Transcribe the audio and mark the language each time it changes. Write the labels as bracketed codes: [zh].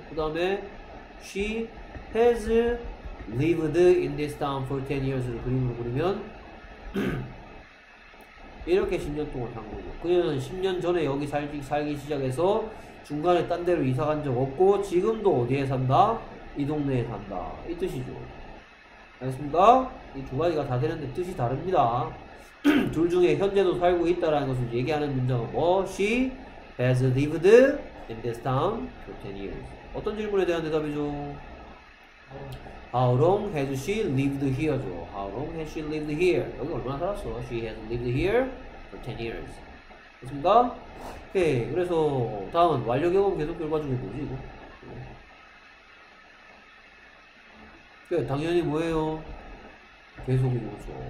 [ko] 그 다음에 [en] she has lived in this town for 10 years [ko] 를 그림으로 그리면 이렇게 10년 동안 산 거고 그녀는 10년 전에 여기 살기 시작해서 중간에 딴 데로 이사 간 적 없고 지금도 어디에 산다? 이 동네에 산다. 이 뜻이죠. 알겠습니까? 이 두 가지가 다 되는데 뜻이 다릅니다. 둘 중에 현재도 살고 있다라는 것을 얘기하는 문장은 뭐? [en] She has lived in this town for 10 years. [ko] 어떤 질문에 대한 대답이죠? [en] How long has she lived here? How long has she lived here? [ko] 여기 얼마나 살았어? [en] She has lived here for 10 years. [ko] 됐습니까? [en] 오케이. [ko] 그래서 다음은 완료경험 계속 결과 중에 뭐지? 이거? 당연히 뭐예요? 계속이죠.